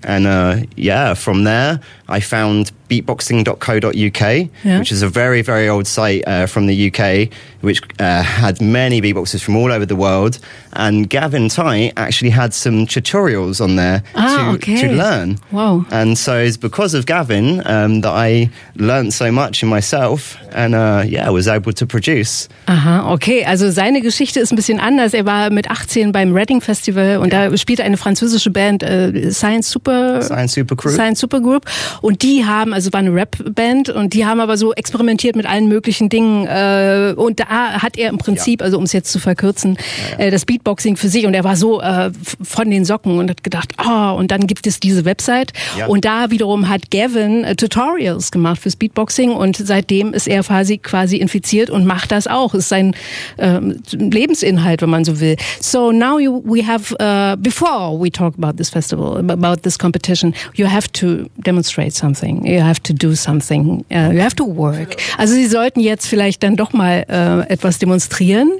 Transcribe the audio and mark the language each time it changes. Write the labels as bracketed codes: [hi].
[en] And from there, I found beatboxing.co.uk, which is a very, very old site from the UK, which had many beatboxers from all over the world. And Gavin Tite actually had some tutorials on there to learn. Wow. And so it's because of Gavin that I learned so much in myself and was able to produce. [de] Aha, okay. Also seine Geschichte ist ein bisschen anders. Er war mit 18 beim Reading Festival, und da spielte eine französische Band, Science Supergroup. Und die haben, also war eine Rap-Band, und die haben aber so experimentiert mit allen möglichen Dingen. Und da hat er im Prinzip, also um es jetzt zu verkürzen, das Beatboxing für sich. Und er war so von den Socken und hat gedacht, oh, und dann gibt es diese Website. Ja. Und da wiederum hat Gavin Tutorials gemacht fürs Beatboxing, und seitdem ist er quasi infiziert und macht das auch. Ist sein Lebensinhalt, wenn man so will. [en] So now before we talk about this festival, about this competition, you have to demonstrate something. You have to do something. You have to work. [de] Also Sie sollten jetzt vielleicht dann doch mal etwas demonstrieren.